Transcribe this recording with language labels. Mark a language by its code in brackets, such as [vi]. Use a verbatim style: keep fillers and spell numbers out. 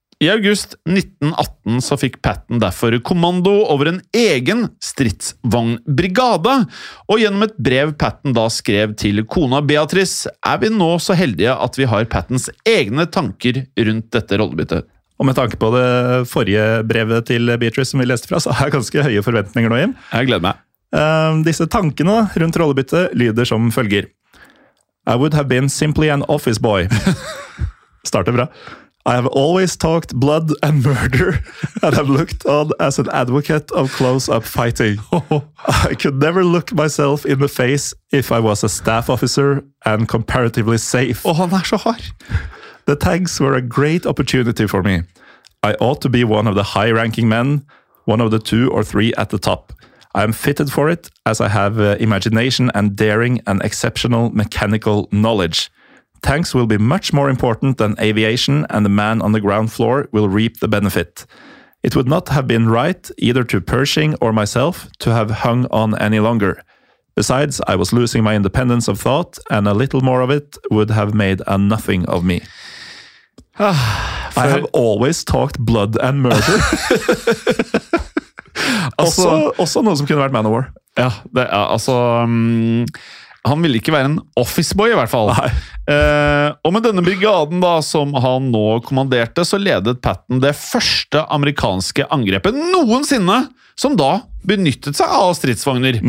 [no] I august nitten atten så fikk Patton derfor kommando over en egen stridsvognbrigade, og gjennom et brev Patton da skrev til kona Beatrice, er vi nå så heldige at vi har Pattons egne tanker rundt dette rollebyttet. Og med tanke på det forrige brevet til Beatrice som vi leste fra, så har jeg ganske høye forventninger nå, Jim. Jeg gleder meg. Uh, disse tankene rundt rollebyttet lyder som følger. [en] I would have been simply an office boy. [no] Starter bra. [en] I have always talked blood and murder, and I'm looked on as an advocate of close-up fighting. I could never look myself in the face if I was a staff officer and comparatively safe. [no] Oh, han er så hard. [en] The tanks were a great opportunity for me. I ought to be one of the high-ranking men, one of the two or three at the top. I am fitted for it, as I have uh, imagination and daring and exceptional mechanical knowledge. Tanks will be much more important than aviation, and the man on the ground floor will reap the benefit. It would not have been right, either to Pershing or myself, to have hung on any longer. Besides, I was losing my independence of thought, and a little more of it would have made a nothing of me. Ah, for... I have always talked blood and murder. [no] altså, også, også noe som kunne vært Manowar. Ja, det er, altså... Um... Han ville ikke være en officeboy, i hvert fall. Eh, og med denne brigaden da, som han nå kommanderte, så ledet Patton det første amerikanske angrepet noensinne, som da benyttet seg av stridsvogner.